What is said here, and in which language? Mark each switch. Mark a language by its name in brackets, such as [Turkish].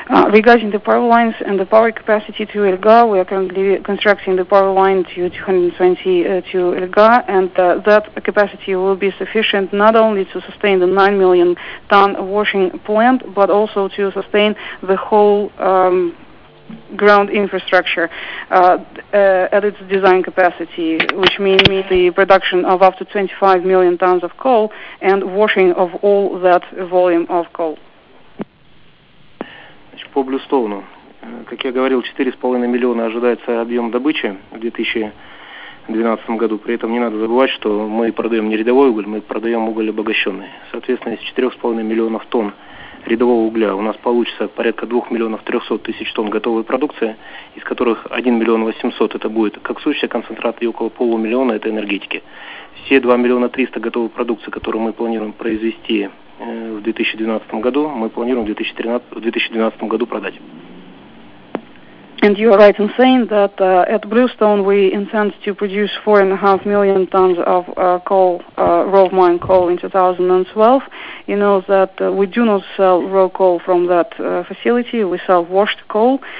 [English] Regarding the power lines and the power capacity to Elga, we are currently constructing the power line to 220 to Elga, and that capacity will be sufficient not only to sustain the 9 million ton washing plant, but also to sustain the whole ground infrastructure at its design capacity, which means the production of up to 25 million tons of coal and washing of all that volume of coal. [Russian] По Bluestone, как я говорил, 4,5 миллиона ожидается объем добычи в 2012 году. При этом не надо забывать, что мы продаем не рядовой уголь, мы продаем уголь обогащенный. Соответственно, из 4,5 миллионов тонн рядового угля у нас получится порядка 2 миллионов 300 тысяч тонн готовой продукции, из которых 1 миллион 800 это будет коксующий концентрат и около полумиллиона это энергетики. Все 2 миллиона 300 готовой продукции, которую мы планируем произвести в 2012 году, мы планируем в 2012 году продать. [English] And you are right in saying that at Bluestone we intend to produce 4.5 million tons of coal, raw mine coal in 2012. You know that we do not sell raw coal from that facility, we sell washed coal.